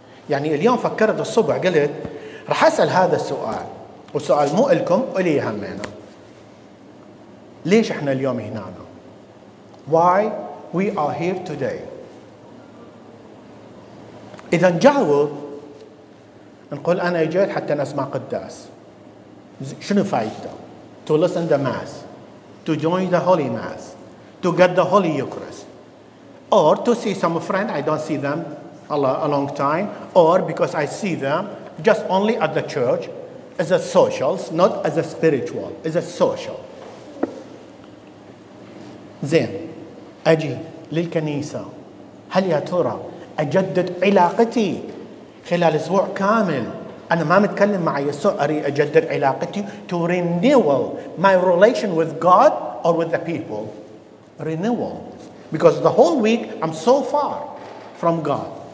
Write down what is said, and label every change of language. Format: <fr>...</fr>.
<ar>يعني اليوم فكرت الصبح قلت رح أسأل هذا السؤال وسؤال مو إلكم ولي همنا ليش إحنا اليوم هنا</ar> <en>Why we are here today?</en> <ar>إذا نجاوب نقول أنا جيت حتى نسمع قداس. شنو فايدته؟</ar> <en>To listen the mass, to join the holy mass, to get the holy Eucharist, or to see some friend I don't see them a long time, or because I see them just only at the church as a social, not as a spiritual, as a social. Then.</en> <ar>أجي للكنيسة هل يا ترى أجدد علاقتي</ar> <en>خلال أسبوع كامل أنا ما متكلم مع يسوع أريد أجدد علاقتي to renewal my relation with God or with the people renewal because the whole week I'm so far from God</en>